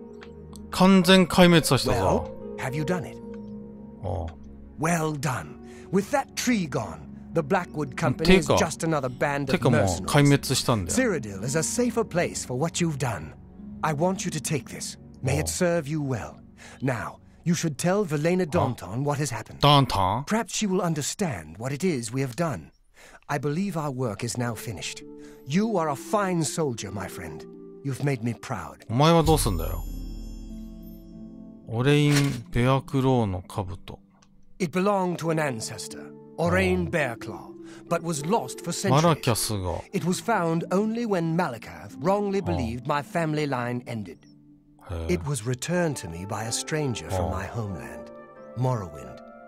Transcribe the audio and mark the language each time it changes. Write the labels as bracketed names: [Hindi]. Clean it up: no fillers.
[Japanese] あれ、トカゲくんどこ行ったの？完全壊滅させたぞ。 [English] Well, have you done it? Oh. Well done. With that tree gone, the Blackwood Company is just another band of mercenaries. [Japanese] 壊滅したんだよ。 [English] Cyrodiil is a safer place for what you've done. I want you to take this. May it serve you well. Now, you should tell Velena Danton what has happened. Danton? Perhaps she will understand what it is we have done. I believe our work is now finished. You are a fine soldier, my friend. You've made me proud. [Japanese] お前はどうすんだよ。オレインベアクローの兜。 [English] It belonged to an ancestor, Orain Bearclaw, but was lost for centuries. [Japanese] マラキャスが。 [English] It was found only when Malakath wrongly believed my family line ended. It was returned to me by a stranger from my homeland, Morrowind.